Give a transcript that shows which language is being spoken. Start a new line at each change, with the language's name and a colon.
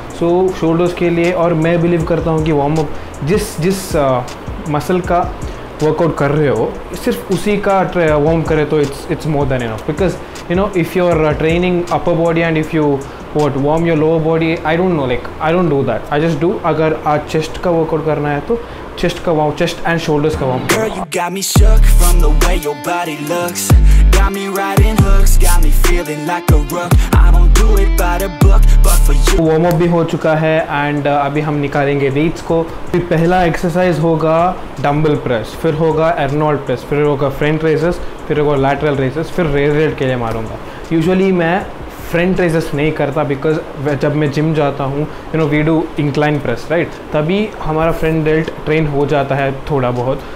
Hindi: सो shoulders के लिए, और मैं बिलीव करता हूँ कि वार्म अप जिस मसल का वर्कआउट कर रहे हो, सिर्फ उसी का वार्म करे तो
English: It's more than enough. Because you know, if you are training upper body and if you want warm your lower body, I don't know, like I don't do that. I just do,
Hindi: अगर आज chest का workout करना है तो chest का warm, chest and shoulders का warm.
English: Girl, you got me shook from the way your body looks. Got me riding hooks, got me feeling like a rook. I don't do it by the book, but for you.
Hindi: Warm up भी हो चुका है and अभी हम निकालेंगे weights को. फिर पहला एक्सरसाइज होगा डंबल प्रेस, फिर होगा अर्नोल्ड प्रेस, फिर होगा फ्रंट रेजेस, फिर होगा लैटरल रेजेस, फिर रेड रेड के लिए मारूंगा. यूजुअली मैं फ्रंट रेजेस नहीं करता, बिकॉज जब मैं जिम जाता हूँ, you know,
English: we do incline press,
Hindi: right, तभी हमारा फ्रंट डेल्ट ट्रेन हो जाता है थोड़ा बहुत.